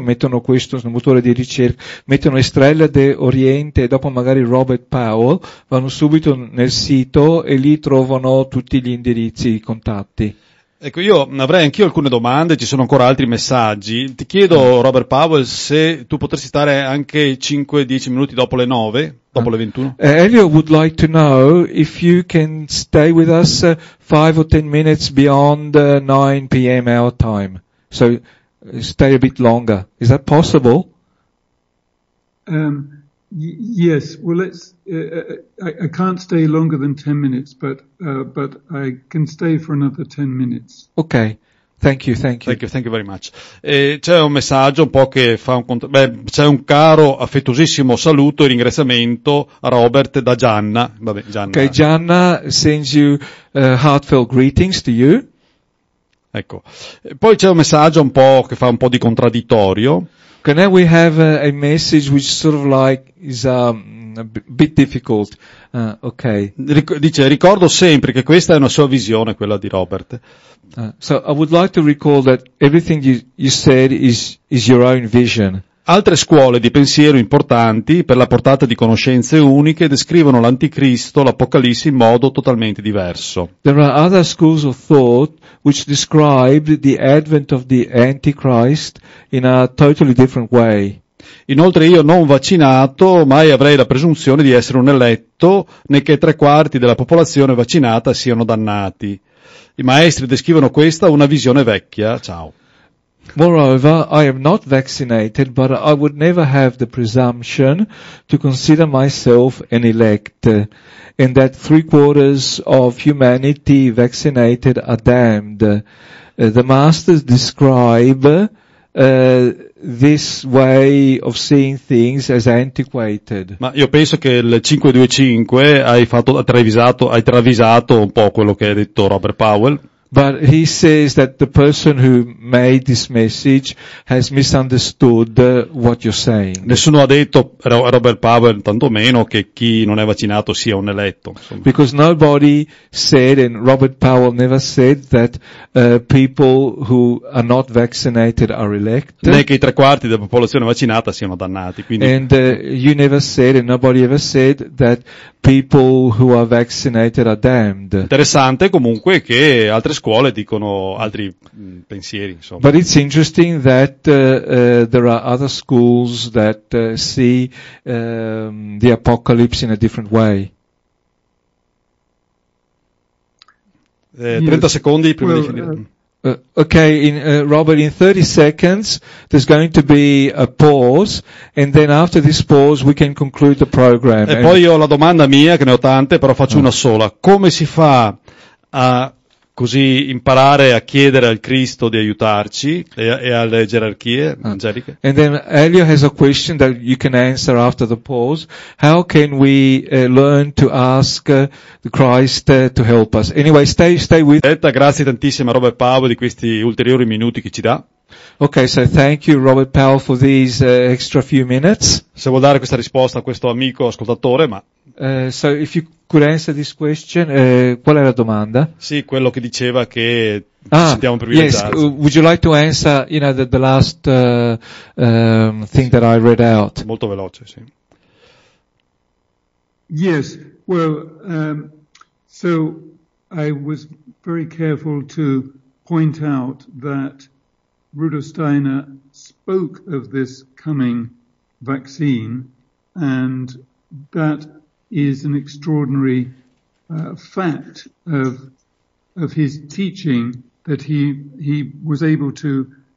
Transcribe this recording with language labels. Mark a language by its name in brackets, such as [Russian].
[Italian] mettono questo sul motore di ricerca, mettono Estrella de Oriente e dopo magari Robert Powell, vanno subito nel sito e lì trovano tutti gli indirizzi, i contatti. Ecco, io avrei anch'io alcune domande, ci sono ancora altri messaggi. Ti chiedo, Robert Powell, se tu potresti stare anche 5-10 minuti dopo le 9, dopo le 21. [English] Elio would like to know if you can stay with us 5 or 10 minutes beyond 9 p.m. our time. So, stay a bit longer. Is that possible? Yes, well let's I can't stay longer than 10 minutes but I can stay for another 10 minutes. Okay. Thank you. Thank you very much. [Italian] C'è un messaggio un po' che fa un c'è un caro affettuosissimo saluto e ringraziamento a Robert da Gianna. Vabbè, Gianna. [English] Okay, Gianna sends you heartfelt greetings to you. [Italian] Ecco. Poi c'è un messaggio un po' che fa un po' di contraddittorio. [English] Okay, now we have a message which sort of like is a bit difficult. Okay. [Italian] Dice, ricordo sempre che questa è una sua visione, quella di Robert. [English] So I would like to recall that everything you said is your own vision. [Italian] Altre scuole di pensiero importanti per la portata di conoscenze uniche descrivono l'anticristo, l'apocalisse in modo totalmente diverso. [English] There are other schools of thought which describe the advent of the antichrist in a totally different way. [Italian] Inoltre io non vaccinato mai avrei la presunzione di essere un eletto, né che 3/4 della popolazione vaccinata siano dannati. I maestri descrivono questa una visione vecchia. Ciao. [English] Moreover, I am not vaccinated, but I would never have the presumption to consider myself an elect, and that 3/4 of humanity vaccinated are damned. The masters describe this way of seeing things as antiquated. [Italian] Ma io penso che il 525 hai travisato un po' quello che ha detto Robert Powell. [English] But he says that the person who made this message has misunderstood what you're saying. [Italian] Nessuno ha detto, Robert Powell tantomeno, che chi non è vaccinato sia un eletto. Insomma. [English] Because nobody said, and Robert Powell never said, that people who are not vaccinated are elect. [Italian] Né che i 3/4 della popolazione vaccinata siano dannati. Quindi... [English] And you never said, and nobody ever said, that people who are vaccinated are damned. [Italian] Interessante comunque che altre scuole dicono altri pensieri, insomma. [English] But it's interesting that there are other schools that see the apocalypse in a different way. [Italian] 30 secondi prima di finire. [English] Okay, Robert, in 30 seconds there's going to be a pause and then after this pause we can conclude the program. [Italian] E poi ho la domanda mia, che ne ho tante, però faccio una sola. Come si fa a così imparare a chiedere al Cristo di aiutarci e alle gerarchie angeliche? [English] And then Elio has a question that you can answer after the pause. How can we learn to ask the Christ to help us? Anyway, stay with us. [Italian] Grazie tantissimo a Robert Powell di questi ulteriori minuti che ci dà. [English] Okay, so thank you Robert Powell for these extra few minutes. [Italian] Se vuol dare questa risposta a questo amico ascoltatore, ma... [English] So if you could answer this question, [Italian] qual è la domanda? Sì, quello che diceva che ci sentiamo privilegiati. [English] Yes, would you like to answer, you know, the last thing that I read out? [Italian] Molto veloce, sì. [English] Yes, well, so I was very careful to point out that Rudolf Steiner spoke of this coming vaccine, and that is an extraordinary fact of his teaching, that he was able to